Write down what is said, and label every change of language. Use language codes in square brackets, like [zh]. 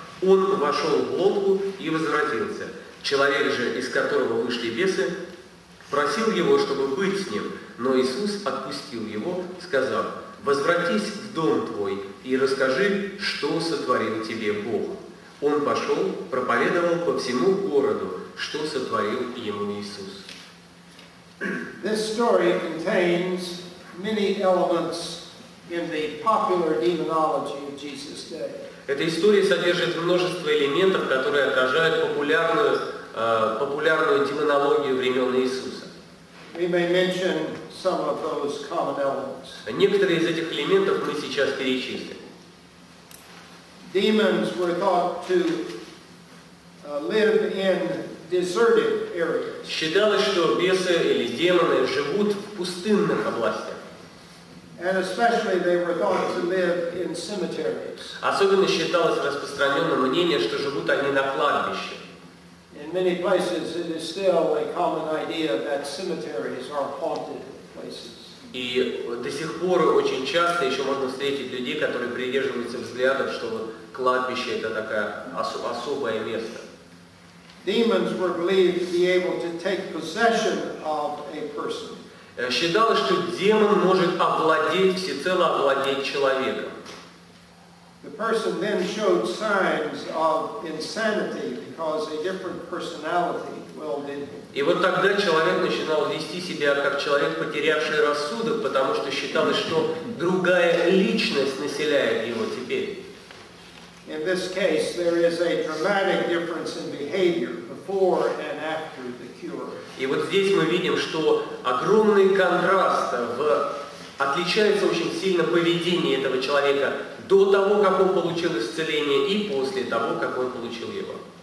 [ru] Он вошел в лодку и возвратился. Человек же, из которого вышли бесы, просил его, чтобы быть с ним, но Иисус отпустил его, сказав: «Возвратись в дом твой и расскажи, что сотворил тебе Бог». Он пошел, проповедовал по всему городу, что сотворил ему Иисус. [en] This story contains many elements in the popular demonology of Jesus' day. [ru] Эта история содержит множество элементов, которые отражают популярную демонологию времен Иисуса. [en] We may mention some of those common elements. [ru] Некоторые из этих элементов мы сейчас перечислим. [en] Demons were thought to live in deserted areas. [ru] Считалось, что бесы или демоны живут в пустынных областях. [en] And especially they were thought to live in cemeteries. [ru] Особенно считалось распространенным мнение, что живут они на кладбище. [en] In many places it is still a common idea that cemeteries are haunted places. [ru] И до сих пор очень часто еще можно встретить людей, которые придерживаются взглядов, что кладбище это такое особое место. [en] Demons were believed to be able to take possession of a person. [ru] Считалось, что демон может всецело овладеть человеком. [en] The person then showed signs of insanity because a different personality well did. [ru] И вот тогда человек начинал вести себя как человек, потерявший рассудок, потому что считалось, что другая личность населяет его теперь. [en] In this case, there is a dramatic difference in behavior before and after the cure. [ru] И вот здесь мы видим, что огромный контраст отличается очень сильно поведение этого человека до того, как он получил исцеление, и после того, как он получил его.